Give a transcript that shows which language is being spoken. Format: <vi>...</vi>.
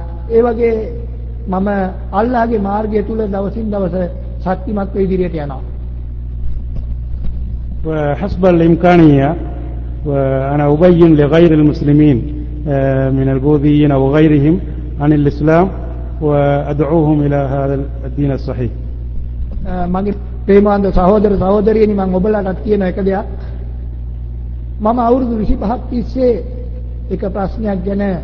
<si>ඒ වගේ මම අල්ලාහගේ මාර්ගය තුල දවසින් දවස ශක්තිමත් වෙ ඉදිරියට යනවා.</si> <ar>حسب الامكانيه وانا ابين لغير المسلمين من البوذيين وغيرهم عن الاسلام وادعوهم الى هذا الدين الصحيح.</ar> <si>ප්‍රේමාන්ත සහෝදර සහෝදරියනි මම ඔබලාටත් කියන එක දෙයක්. මම අවුරුදු 25ක් තිස්සේ එක ප්‍රශ්නයක් ගැන</si>